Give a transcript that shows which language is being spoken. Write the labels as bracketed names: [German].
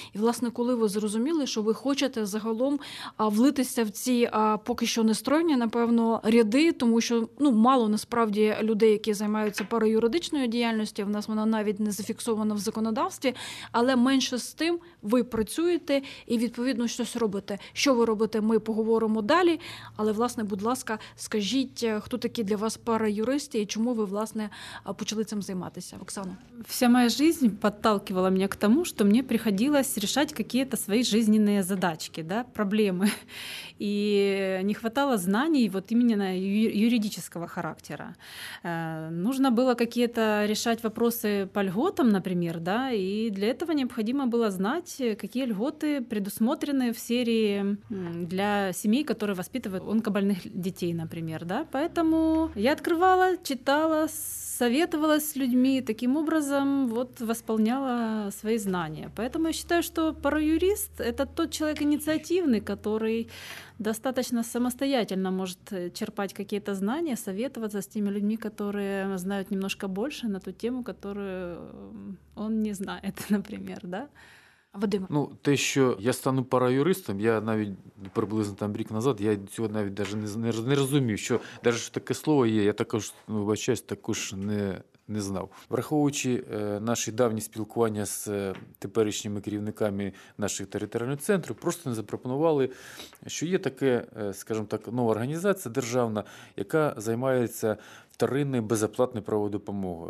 [Ukrainian] І, власне, коли ви зрозуміли, що ви хочете загалом влитися в ці поки що нестройні, напевно, ряди, тому що мало насправді людей, які займаються параюридичною діяльністю, в нас вона навіть не зафіксована в законодавстві, але менше з тим, ви працюєте і, відповідно, щось робите. Що ви робите, ми поговоримо далі, але, власне, будь ласка, скажіть, хто такі для вас параюристи і чому ви, власне, почали цим займатися? Оксана. [Russian] Вся моя жизнь подталкивала меня к тому, что мне приходилось решать какие-то свои жизненные задачки, да, проблемы. И не хватало знаний вот именно юридического характера. Нужно было какие-то решать вопросы по льготам, например, да, и для этого необходимо было знать, какие льготы предусмотрены в серии для семей, которые воспитывают онкобольных детей, например, да. Поэтому я открывала, читала, советовалась с людьми, и таким образом вот восполняла свои знания. Поэтому я считаю, что параюрист — это тот человек инициативный, который достаточно самостоятельно может черпать какие-то знания, советоваться с теми людьми, которые знают немножко больше на ту тему, которую он не знает, например, да? Вадим. [Ukrainian] Ну, те, що я стану параюристом, я навіть приблизно там рік назад, я цього навіть даже не розумію, що даже таке слово є, я також, вибачаюсь, також не знав. Враховуючи наші давні спілкування з теперішніми керівниками наших територіальних центрів, просто не запропонували, що є таке, скажімо так, нова організація державна, яка займається вторинною безоплатною правовою допомогою.